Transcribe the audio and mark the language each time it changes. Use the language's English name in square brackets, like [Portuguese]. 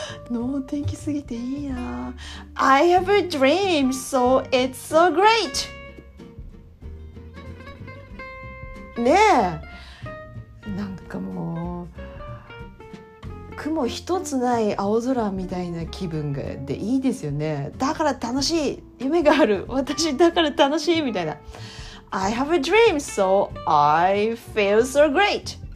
[English] No, [Japanese] 天気すぎていいな。 [English] I have a dream, so it's so great! [Japanese] ねえ。なんかもう、雲一つない青空みたいな気分でいいですよね。だから楽しい。夢がある。私だから楽しいみたいな。 [English] I have a dream, so I feel so great!